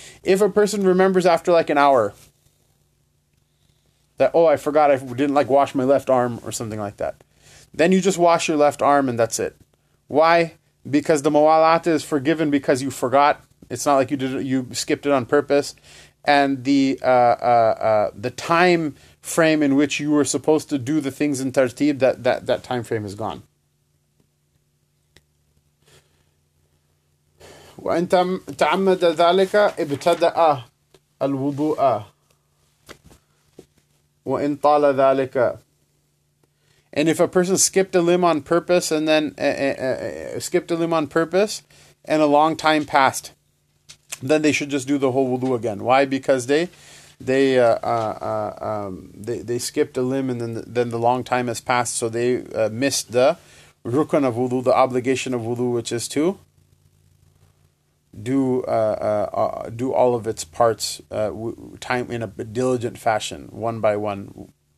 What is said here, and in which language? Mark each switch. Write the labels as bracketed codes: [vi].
[en] If a person remembers after like an hour that, oh, I forgot, I didn't like wash my left arm or something like that, then you just wash your left arm and that's it. Why? Because the mawalat is forgiven because you forgot. It's not like you did it, you skipped it on purpose. And the time frame in which you were supposed to do the things in tartib, that time frame is gone. [ar] وإن تعمد ذلك ابتدأ الوضوء وإن طال ذلك. [en] And if a person skipped a limb on purpose and then skipped a limb on purpose and a long time passed, then they should just do the whole wudu again. Why? Because they skipped a limb and then the long time has passed, so they missed the rukun of wudu, the obligation of wudu, which is to do all of its parts time in a diligent fashion, one by one.